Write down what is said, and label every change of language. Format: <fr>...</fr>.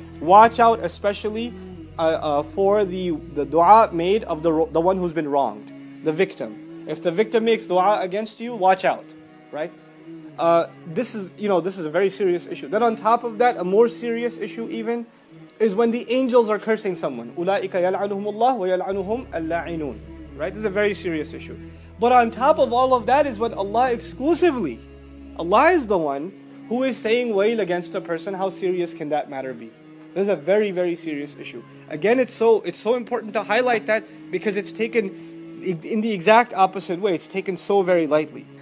<en>Watch out especially for the dua made of the one who's been wronged. The victim. If the victim makes dua against you, watch out, right? This is a very serious issue. Then on top of that, a more serious issue even is when the angels are cursing someone.</en> <ar>أولئك يلعنهم الله ويلعنهم اللاعنون.</ar> <en>Right? This is a very serious issue. But on top of all of that is when Allah is the one who is saying wail against a person. How serious can that matter be? This is a very, very serious issue. Again, it's so important to highlight that because it's taken in the exact opposite way. It's taken so very lightly.</en>